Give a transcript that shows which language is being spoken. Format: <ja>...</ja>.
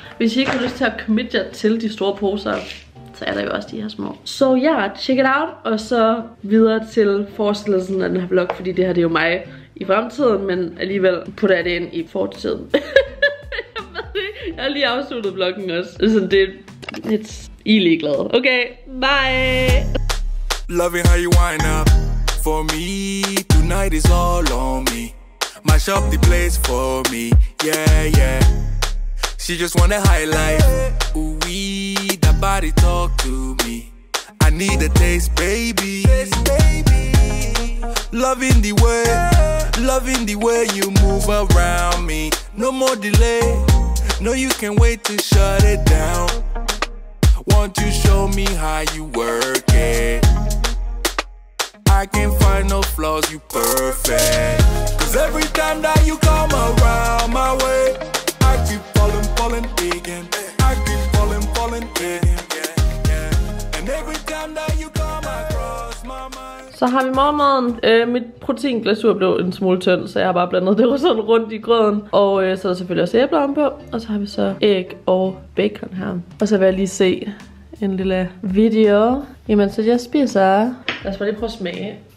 <da>Hvis I ikke har lyst til at commit jer til de store poser, så er der jo også de her små. Så ja,</da> <en>check it out.</en> <da>Og så videre til forestillelsen af den her vlog. Fordi det her, det er jo mig i fremtiden. Men alligevel putter jeg det ind i fortiden. Jeg har lige afsluttet vloggen også. Så det er lidt ligeglad. Okay, bye.</da> <en>Loving how you wind up for me. Tonight is all on me. Mash up the place for me. Yeah, yeah. She just wanna highlight. Ooh wee, that body talk to me. I need a taste, baby. Taste, baby. Loving the way, loving the way you move around me. No more delay. No, you can't wait to shut it down. Won't you show me how you work it? I can't find no flaws, you perfect. Cause every time that you come around my way, I keep falling, falling again. I keep falling, falling again. And every time that you come across my mind.</en> <da>Så har vi morgenmaden. Mit proteinglasur blev en smule tynd, så jeg har bare blandet det sådan rundt i grøden. Og så er der selvfølgelig også æbler om på. Og så har vi så æg og bacon her. Og så vil jeg lige se en lille video. Jamen, så jeg spiser. Lad os bare lige prøve at smage.</da>